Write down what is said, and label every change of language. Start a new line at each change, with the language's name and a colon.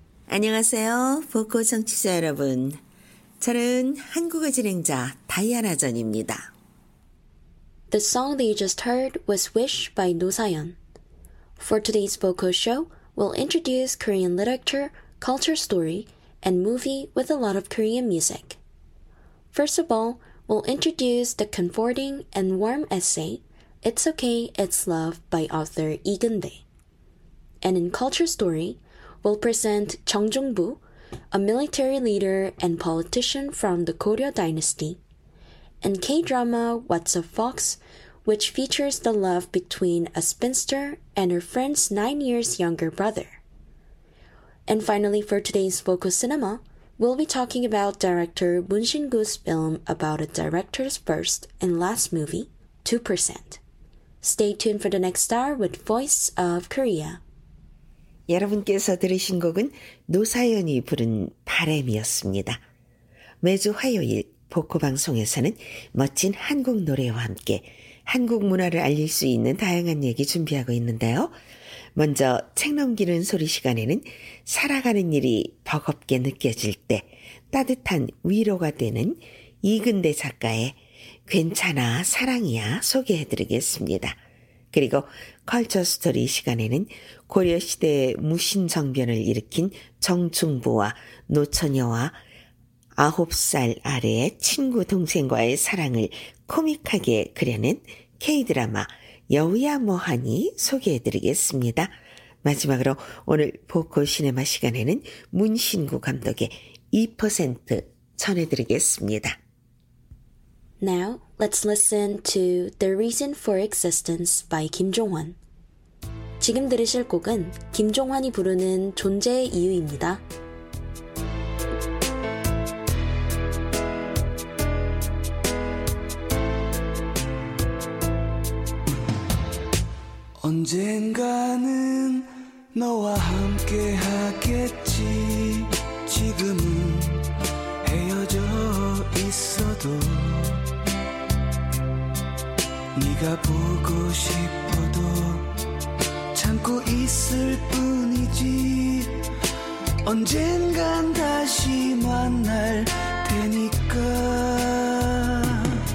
Korean: 안녕하세요, 보코 청취자 여러분. 저는 한국어 진행자 다이아나 전입니다.
English: The song that you just heard was Wish by Noh Sayeon. For today's Voco show, we'll introduce Korean literature, culture story, and movie with a lot of Korean music. First of all, we'll introduce the comforting and warm essay, It's Okay, It's Love by author Lee Geun-dae. And in culture story, we'll present Jeong Jong-buk, a military leader and politician from the Goryeo dynasty, and K-drama What's a Fox, which features the love between a spinster and her friend's 9 years younger brother. And finally, for today's Voco Cinema, we'll be talking about director Moon Shin-gu's film about a director's first and last movie, 2%. Stay tuned for the next star with Voice of Korea.
Korean: 여러분께서 들으신 곡은 노사연이 부른 바람이었습니다. 매주 화요일 보코 방송에서는 멋진 한국 노래와 함께 한국 문화를 알릴 수 있는 다양한 얘기 준비하고 있는데요. 먼저 책 넘기는 소리 시간에는 살아가는 일이 버겁게 느껴질 때 따뜻한 위로가 되는 이근대 작가의 괜찮아 사랑이야 소개해드리겠습니다. 그리고 컬처 스토리 시간에는 고려시대의 무신정변을 일으킨 정충부와 노처녀와 9살 아래의 친구 동생과의 사랑을 코믹하게 그려낸 K-드라마 여우야 뭐하니 소개해드리겠습니다. 마지막으로 오늘 보코 시네마 시간에는 문신구 감독의 2% 전해드리겠습니다.
English: Now, let's listen to The Reason for Existence by 김종환.
Korean: 지금 들으실 곡은 김종환이 부르는 존재의 이유입니다. 언젠가는 너와 함께 하겠지 지금은 헤어져 있어도 네가 보고 싶어도 참고 있을 뿐이지 언젠간 다시 만날 테니까